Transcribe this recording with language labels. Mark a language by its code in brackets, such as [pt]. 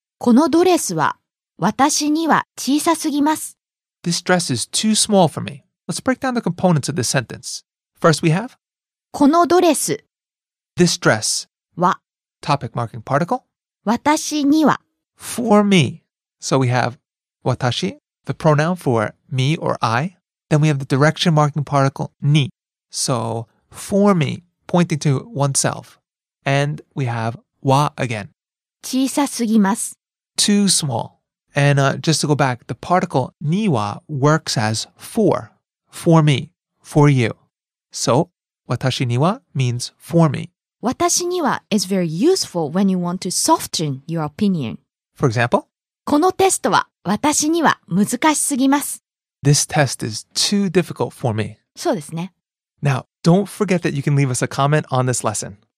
[ja] このドレスは私には小さすぎます。 [en] This dress is too small for me. Let's break down the components of this sentence. First we have, [ja] このドレス。 [en] This dress. [ja] は。 [en] Topic marking particle. [ja] 私には。 [en] For me. So we have 私, the pronoun for me or I. Then we have the direction marking particle に. So for me, pointing to oneself. And we have わ again. [ja] 小さすぎます. [en] Too small. And just to go back, the particle には works as for me, for you. So 私には means for me. 私には is very useful when you want to soften your opinion. For example, [ja] このテストは私には難しすぎます。 [en] This test is too difficult for me. [ja] そうですね。 [en] Now, don't forget that you can leave us a comment on this lesson.